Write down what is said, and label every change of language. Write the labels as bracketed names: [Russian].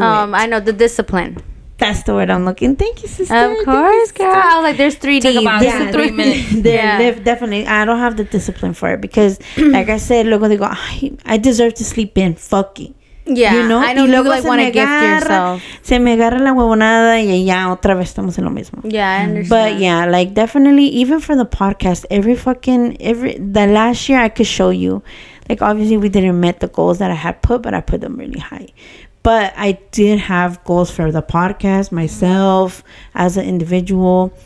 [English] I know, the discipline. That's the word I'm looking. Thank you, sister. Of course, girl. I was like, there's 3D. Took about yeah, 3 minutes. Yeah. Definitely. I don't have the discipline for it because, like I said, luego they go, I deserve to sleep in. Fuck it. Yeah. You know? I know, [Spanish] y luego [English] you like, want to gift yourself. [Spanish] Se me agarra la huevonada y ya otra vez estamos en lo mismo. [English] Yeah, I understand. But yeah, like definitely, even for the podcast, the last year I could show you, like obviously we didn't meet the goals that I had put, but I put them really high. But I did have goals for the podcast, myself, as an individual.